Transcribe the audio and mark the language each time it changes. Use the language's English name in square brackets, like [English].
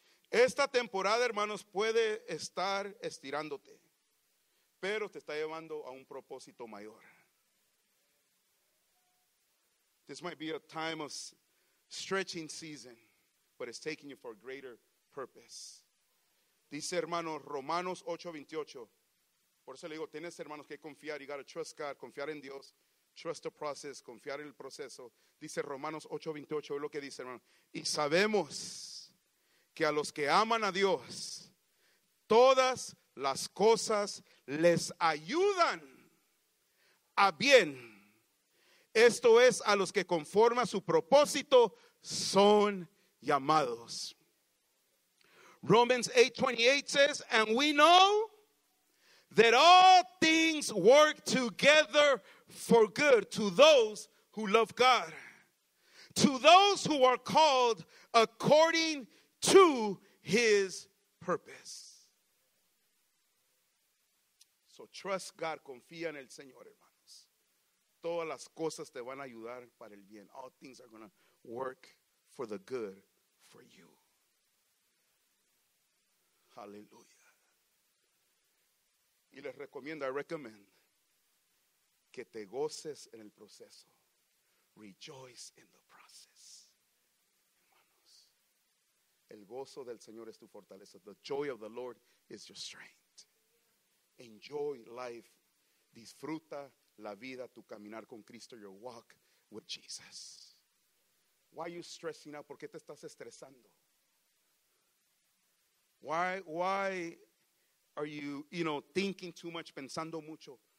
[Spanish] Esta temporada, hermanos, puede estar estirándote, pero te está llevando a un propósito mayor. [English] This might be a time of stretching season, but it's taking you for a greater purpose. [Spanish] Dice, hermanos, Romanos 8:28. Por eso le digo, tienes, hermanos, que confiar. [English] You gotta trust God, [Spanish] confiar en Dios. [English] Trust the process, [Spanish] confiar en el proceso. Dice Romanos 8:28, es lo que dice, hermano. Y sabemos que a los que aman a Dios, todas las cosas les ayudan a bien. Esto es a los que conforme a su propósito son llamados. [English] Romans 8:28 says, and we know that all things work together for good to those who love God, to those who are called according to his purpose. So trust God, [Spanish] confía en el Señor, hermanos. Todas las cosas te van a ayudar para el bien. [English] All things are going to work for the good for you. Hallelujah. [Spanish] Y les recomiendo, [English] I recommend, [Spanish] que te goces en el proceso. [English] Rejoice in the process. [Spanish] Hermanos, el gozo del Señor es tu fortaleza. [English] The joy of the Lord is your strength. Enjoy life. [Spanish] Disfruta la vida, tu caminar con Cristo, [English] your walk with Jesus. Why are you stressing out? [Spanish] ¿Por qué te estás estresando? [English] Why are you, you know, thinking too much, [Spanish] pensando mucho?